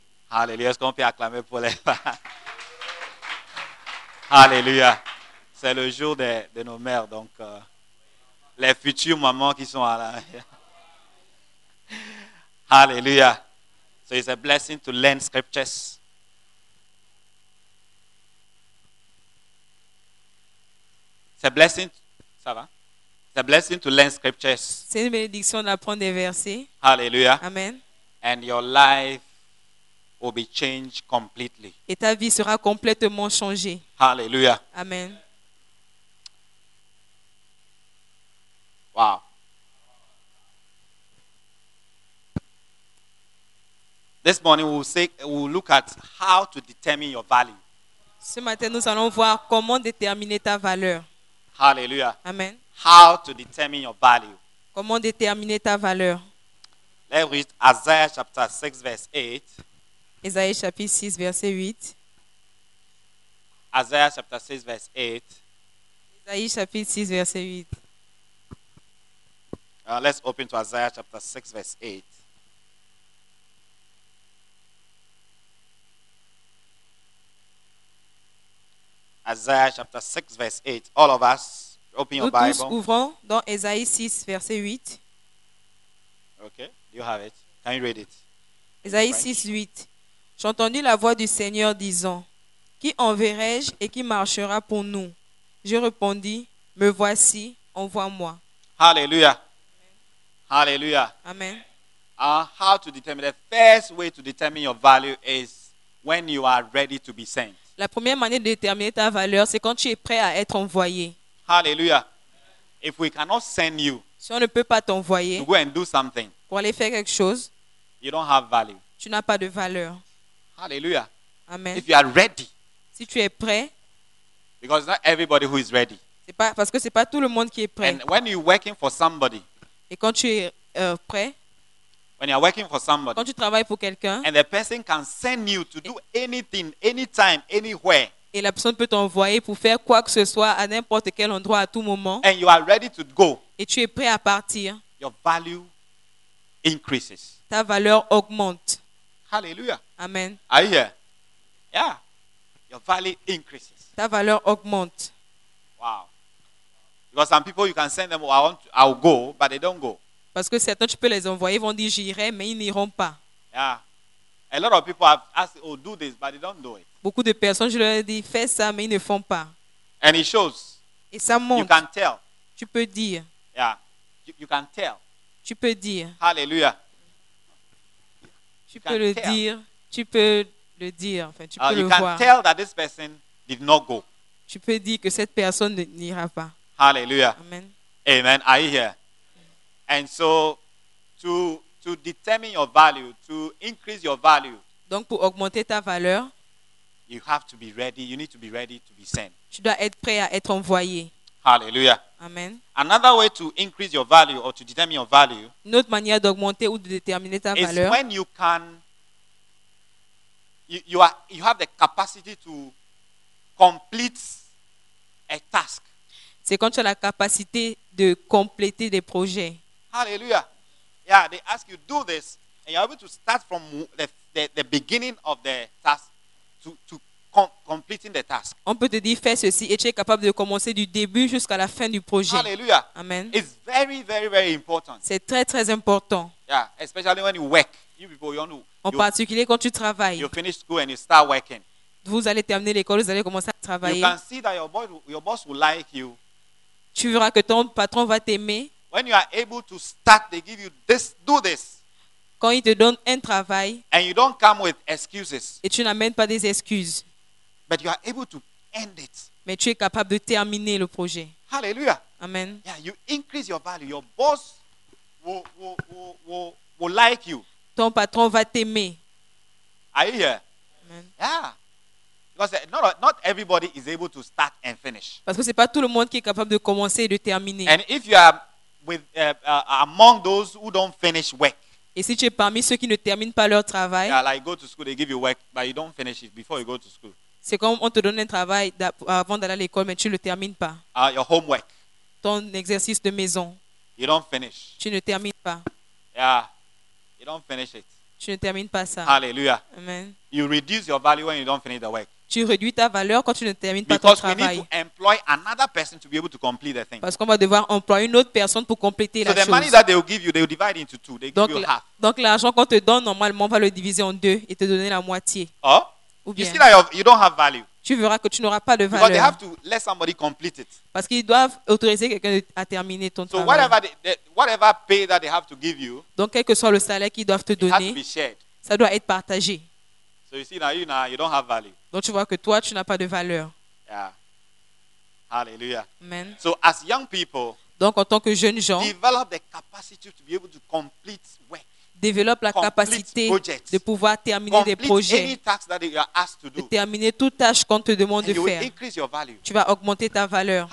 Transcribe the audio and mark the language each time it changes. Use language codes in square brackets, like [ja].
[fr] Alléluia. Est-ce qu'on peut acclamer pour les femmes? Alléluia. C'est le jour de nos mères, donc les futures mamans qui sont à la. Alléluia. [en] So it's a blessing to learn scriptures. It's a blessing to learn scriptures. [fr] C'est une bénédiction d'apprendre des versets. [en] Hallelujah. Amen. And your life will be changed completely. [fr] Et ta vie sera complètement changée. [en] Hallelujah. Amen. Wow. This morning we'll look at how to determine your value. [fr] Ce matin nous allons voir comment déterminer ta valeur. [en] Hallelujah. Amen. How to determine your value. [fr] Comment déterminer ta valeur? [en] Let's read Isaiah chapter 6 verse 8. [fr] Isaiah chapitre 6 verset 8. [en] Isaiah chapter 6 verse 8. [fr] Isaiah chapitre 6 verset 8. [en] Let's open to Isaiah chapter 6 verse 8. Isaiah chapter 6 verse 8. All of us, open your Bible. [fr] Nous tous ouvrons dans Isaïe 6 verset 8. [en] Okay, do you have it? Can you read it? [fr] Isaïe 6 8. J'entendis la voix du Seigneur disant: Qui enverrai-je et qui marchera pour nous? Je répondis: Me voici, envoie-moi. [en] Hallelujah. Hallelujah. Amen. How to determine, the first way to determine your value is when you are ready to be sent. [fr] La première manière de déterminer ta valeur, c'est quand tu es prêt à être envoyé. [en] Hallelujah. If we cannot send you, [fr] si on ne peut pas t'envoyer, [en] to go and do something, [fr] pour aller faire quelque chose, [en] you don't have value. [fr] Tu n'as pas de valeur. [en] Hallelujah. Amen. If you are ready, [fr] si tu es prêt, [en] because not everybody who is ready. [fr] C'est pas, parce que c'est pas tout le monde qui est prêt. [en] And when you're working for somebody, [fr] et quand tu es prêt, [en] when you are working for somebody, [fr] quand tu travailles pour quelqu'un, [en] and the person can send you to do anything, anytime, anywhere, [fr] et la personne peut t'envoyer pour faire quoi que ce soit à n'importe quel endroit à tout moment, [en] and you are ready to go, [fr] et tu es prêt à partir, [en] your value increases. [fr] Ta valeur augmente. [en] Hallelujah. Amen. Are you here? Yeah. Your value increases. [fr] Ta valeur augmente. [en] Wow. Because some people you can send them, I'll go, but they don't go. [fr] Parce que certains tu peux les envoyer, vont dire j'irai, mais ils n'iront pas. [en] Yeah, a lot of people have asked, oh, do this, but they don't do it. [fr] Beaucoup de personnes je leur ai dit fais ça, mais ils ne font pas. [en] And it shows. [fr] Et ça montre. [en] You can tell. [fr] Tu peux dire. [en] Yeah, you can tell. [fr] Tu peux dire. [en] Hallelujah. [fr] Tu peux le dire. Tu peux le dire. Enfin, tu peux le voir. [en] You can tell that this person did not go. [fr] Tu peux dire que cette personne n'ira pas. [en] Hallelujah. Amen. Amen. Are you here? And so, to determine your value, to increase your value. [fr] Donc pour augmenter ta valeur, [en] you have to be ready. You need to be ready to be sent. [fr] Tu dois être prêt à être envoyé. [en] Hallelujah. Amen. Another way to increase your value or to determine your value. [fr] Une autre manière d'augmenter ou de déterminer ta [en] is [fr] valeur. [en] Is when you can. You have the capacity to complete a task. [fr] C'est quand tu as la capacité de compléter des projets. [en] Hallelujah. Yeah, they ask you do this and you're able to start from the beginning of the task to completing the task. [fr] On peut te dire fais ceci et tu es capable de commencer du début jusqu'à la fin du projet. [en] Hallelujah. Amen. It's very very very important. [fr] C'est très très important. [en] Yeah, especially when you work. You people you know. [fr] En particulier quand tu travailles. [en] You finish school and you start working. [fr] Vous allez terminer l'école, vous allez commencer à travailler. [en] You can see that your boss will like you. [fr] Tu verras que ton patron va t'aimer. [en] When you are able to start, they give you this, do this. [fr] Quand ils te donnent un travail. [en] And you don't come with excuses. [fr] Et tu n'amènes pas des excuses. [en] But you are able to end it. [fr] Mais tu es capable de terminer le projet. [en] Hallelujah. Amen. Yeah, you increase your value. Your boss will like you. [fr] Ton patron va t'aimer. [en] Are you here? Amen. Yeah. Because not everybody is able to start and finish. [fr] Parce que c'est pas tout le monde qui est capable de commencer et de terminer. [en] And if you are with among those who don't finish work. [fr] Et si tu es parmi ceux qui ne terminent pas leur travail. [en] Yeah, like go to school, they give you work, but you don't finish it before you go to school. [fr] C'est comme on te donne un travail avant d'aller à l'école, mais tu le termines pas. [en] Your homework. [fr] Ton exercice de maison. [en] You don't finish. [fr] Tu ne termines pas. [en] Yeah, you don't finish it. [fr] Tu ne termines pas ça. [en] Hallelujah. Amen. You reduce your value when you don't finish the work. [fr] Tu réduis ta valeur quand tu ne termines [en] because [fr] pas ton travail. [en] Because we need to employ another person to be able to complete the thing. [fr] Parce qu'on va devoir employer une autre personne pour compléter [en] so [fr] la [en] the [fr] chose. [en] So the money that they will give you, they will divide into two. They [fr] donc, [en] give you half. [fr] Donc l'argent qu'on te donne normalement, on va le diviser en deux et te donner la moitié. [en] Oh. [fr] Ou bien. [en] You see that you don't have value. [fr] Tu verras que tu n'auras pas de valeur. [en] Because they have to let somebody complete it. [fr] Parce qu'ils doivent autoriser quelqu'un à terminer ton [en] so [fr] travail. [en] So whatever whatever pay that they have to give you. [fr] Donc quel que soit le salaire qu'ils doivent te donner, [en] it has to be shared. [fr] Ça doit être partagé. [en] So you see now you don't have value. [fr] Donc tu vois que toi tu n'as pas de valeur. [en] Yeah. Hallelujah. Amen. So as young people, [fr] donc en tant que jeunes gens, [en] develop the capacity to be able to complete work. [fr] Développe la capacité de pouvoir terminer des projets, de terminer toute tâche qu'on te demande de faire. Tu vas augmenter ta valeur.